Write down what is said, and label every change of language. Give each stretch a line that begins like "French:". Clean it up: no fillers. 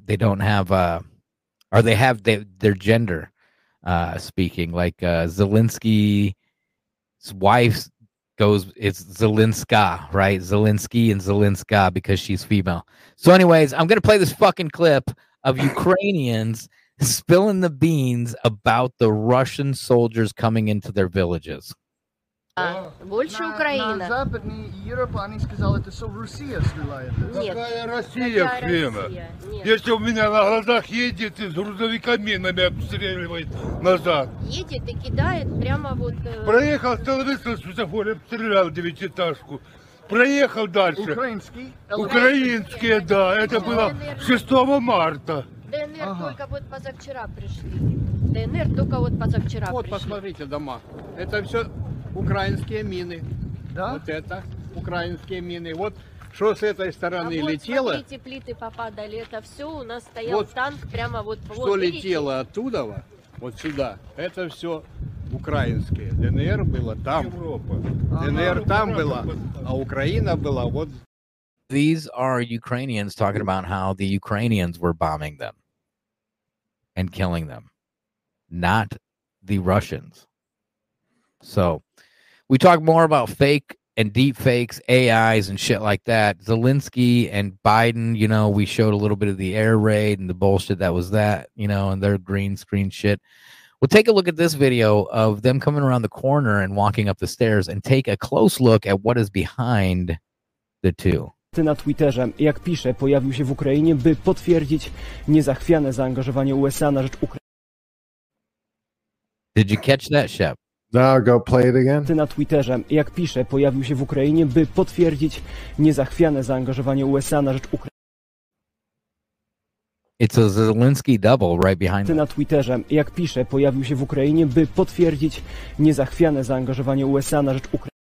English: They don't have, or they have their gender speaking, like Zelensky's wife goes, it's Zelenska, right? Zelensky and Zelenska because she's female. So anyways, I'm going to play this fucking clip of Ukrainians spilling the beans about the Russian soldiers coming into their villages.
Russian: Больше Украина. На западной Европе они сказали, это Россия стреляет. Нет. Какая Россия, Фина? Если у меня на глазах едет и с грузовиками на меня обстреливает назад. Едет и кидает прямо вот... Проехал, остановился, с светофора обстрелял девятиэтажку. Проехал дальше. Украинский? Украинский, ДНР, да. Это было 6 марта. ДНР ага. Только вот позавчера пришли. ДНР только вот позавчера вот пришли. Вот посмотрите дома. Это все украинские мины. Да? Вот это украинские мины. Вот что с этой стороны а летело. Вот смотрите, плиты попадали. Это все у нас стоял вот, танк прямо вот. Что вот, летело оттуда, вот сюда. Это все... Украинские. ДНР было там. Европа. ДНР она там была, а Украина была вот.
English: These are Ukrainians talking about how the Ukrainians were bombing them and killing them, not the Russians. So we talk more about fake and deep fakes, AIs and shit like that. Zelensky and Biden, you know, we showed a little bit of the air raid and the bullshit that was that, you know, and their green screen shit. We'll take a look at this video of them coming around the corner and walking up the stairs and take a close look at what is behind the two.
Polish: Na Twitterze, jak pisze, pojawił się w Ukrainie, by potwierdzić niezachwiane zaangażowanie USA na rzecz Ukrainy.
English: Did you catch that, Shep? No, go play it again.
Polish: Na Twitterze, jak pisze, pojawił się w Ukrainie, by potwierdzić niezachwiane zaangażowanie USA na rzecz Ukrainy.
English: It's a Zelensky double right behind
Polish: him. Na Twitterze, jak pisze, pojawił się w Ukrainie, by potwierdzić niezachwiane zaangażowanie USA na rzecz Ukrainy.